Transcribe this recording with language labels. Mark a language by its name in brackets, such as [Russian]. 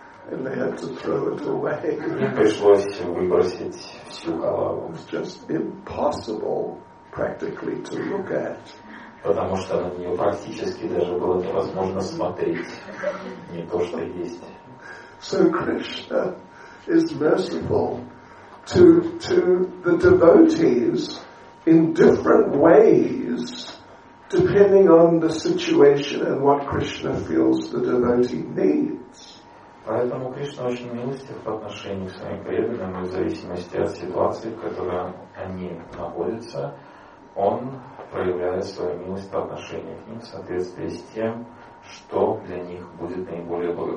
[English] And they had to throw it away. [Russian] И пришлось выбросить всю халаву. [English] It's just impossible practically to look at. [Russian] Потому что на нее практически даже было невозможно смотреть. Не то, что есть. [English] So Krishna is merciful to the devotees in different ways, depending on the situation and what Krishna feels the devotee needs. [Russian] Поэтому Кришна очень милостив в отношении к своим преданным, и в зависимости от ситуации, в которой они находятся, он проявляет свою милость по отношению к ним в соответствии с тем, что для них будет наиболее